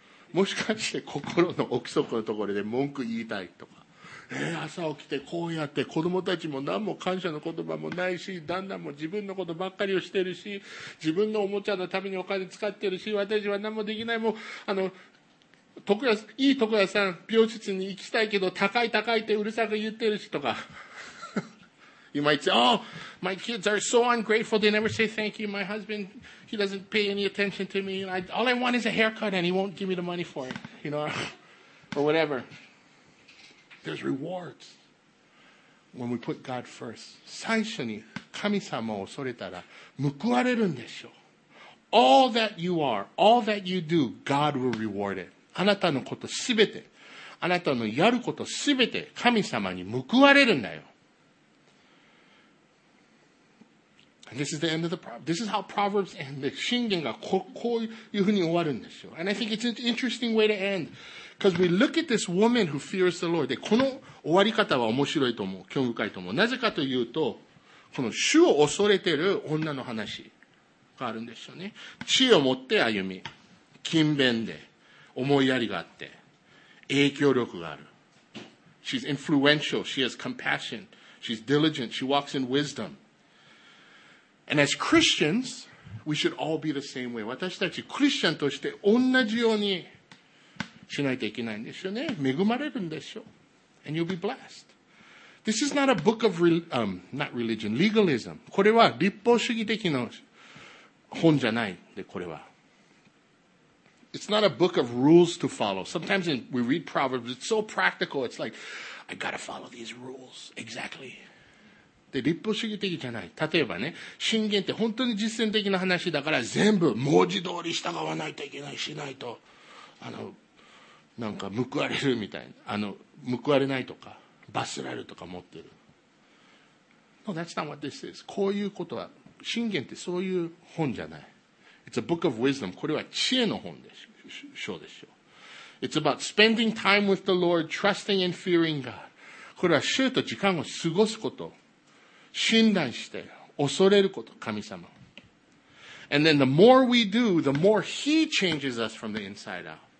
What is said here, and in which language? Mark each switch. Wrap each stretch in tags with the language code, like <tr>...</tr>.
<ja>もしかして心の奥底のところで文句言いたいとか、朝起きてこうやって子供たちも何も感謝の言葉もないし、旦那も自分のことばっかりをしてるし、自分のおもちゃのためにお金使ってるし、私は何もできない、もうあの徳屋、いい徳屋さん病室に行きたいけど高い高いってうるさく言ってるしとか。</ja> <en>You might say, oh, my kids are so ungrateful. They never say thank you. My husband, he doesn't pay any attention to me. All I want is a haircut and he won't give me the money for it. You know, or whatever. There's rewards. When we put God first.</en> <ja>最初に神様を恐れたら報われるんでしょう。</ja> <en>All that you are, all that you do, God will reward it.</en> <ja>あなたのことすべて、あなたのやることすべて神様に報われるんだよ。</ja> <en>This is the end of the proverb. This is how Proverbs end.</en> <ja>箴言がこういうふうに終わるんですよ。</ja> <en>And I think it's an interesting way to end. Because we look at this woman who fears the Lord.</en> <ja>で、この終わり方は面白いと思う。興味深いと思う。なぜかというと、この主を恐れてる女の話があるんですよね。知恵を持って歩み、勤勉で、思いやりがあって、影響力がある。</ja> <en>She's influential. She has compassion. She's diligent. She walks in wisdom. And as Christians, we should all be the same way.</en> <ja>私たちクリスチャンとして同じようにしないといけないんですよね。恵まれるんでしょう。</ja> <en>And you'll be blessed. This is not a book of legalism.</en> <ja>これは立法主義的な本じゃないで、これは。</ja> <en>It's not a book of rules to follow. Sometimes we read Proverbs, it's so practical. It's like, I gotta follow these rules. Exactly.</en> <ja>で、立法主義的じゃない。例えばね、箴言って本当に実践的な話だから、全部文字通り従わないといけない、しないと、あの、なんか報われるみたいな。あの、報われないとか、罰せられるとか持ってる。</ja> <en>No, that's not what this is.</en> <ja>こういうことは、箴言ってそういう本じゃない。</ja> <en>It's a book of wisdom.</en> <ja>これは知恵の本でしょ。章でしょ。</ja> <en>It's about spending time with the Lord, trusting and fearing God.</en> <ja>これは主と時間を過ごすこと。信頼して恐れること、神様。</ja> <en>And then the more we do, the more He changes us from the inside out.</en>